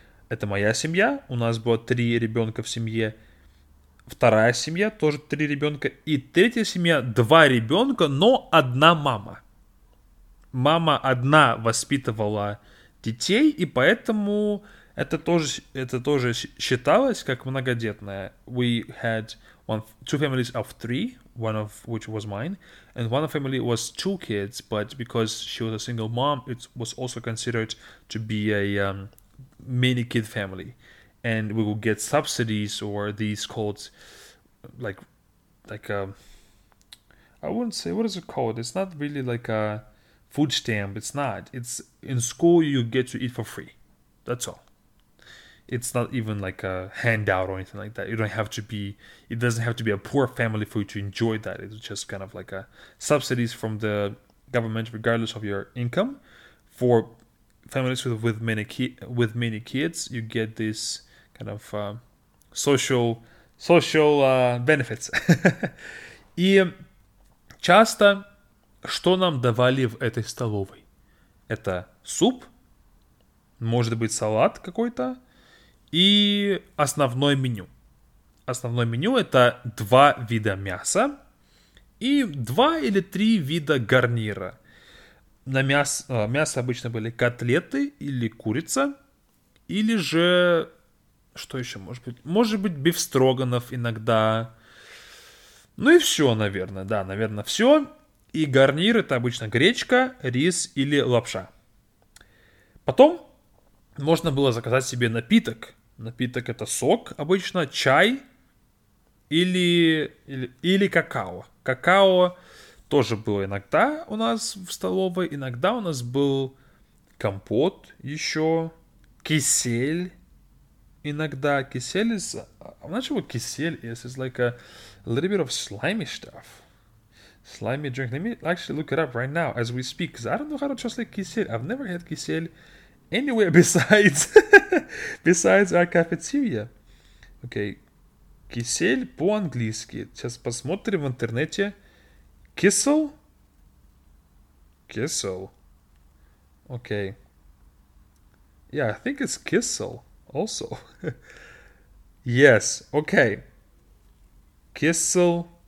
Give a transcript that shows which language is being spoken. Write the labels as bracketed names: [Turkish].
[Russian] Это моя семья, у нас было 3 ребенка в семье. Вторая семья, тоже 3 ребенка. И третья семья, 2 ребенка, но одна мама. Мама одна воспитывала детей, и поэтому это тоже считалось как многодетная. [English] We had 2 families of 3. One of which was mine, and one family was 2 kids, but because she was a single mom, it was also considered to be a mini kid family, and we would get subsidies or these called, I wouldn't say, what is it called? It's not really like a food stamp. It's not. It's in school you get to eat for free. That's all. It's not even like a handout or anything like that. You don't have to be, it doesn't have to be a poor family for you to enjoy that. It's just kind of like a subsidies from the government, regardless of your income. For families with many kids, you get this kind of social benefits. [Russian] И часто что нам давали в этой столовой? Это суп, может быть, салат какой-то, и основное меню. Основное меню — это два вида мяса и два или три вида гарнира. На мясо обычно были котлеты или курица, или же, что еще может быть? Может быть, бифстроганов иногда. Ну и все, наверное, да, наверное, все. И гарнир — это обычно гречка, рис или лапша. Потом можно было заказать себе напиток. Напиток — это сок обычно, чай или какао. Какао тоже было иногда у нас в столовой. Иногда у нас был компот еще, кисель. Иногда кисель из... [English] I'm not sure what кисель is. It's like a little bit of slimy stuff. Slimy drink. Let me actually look it up right now as we speak. Because I don't know how to translate кисель. I've never had кисель anywhere besides besides our cafeteria. [Russian] Okay. Кисель по-английски. Сейчас посмотрим в интернете. Кисел? Кисел. Okay. [English] Yeah, I think it's кисел also. Yes. Okay. Кисел.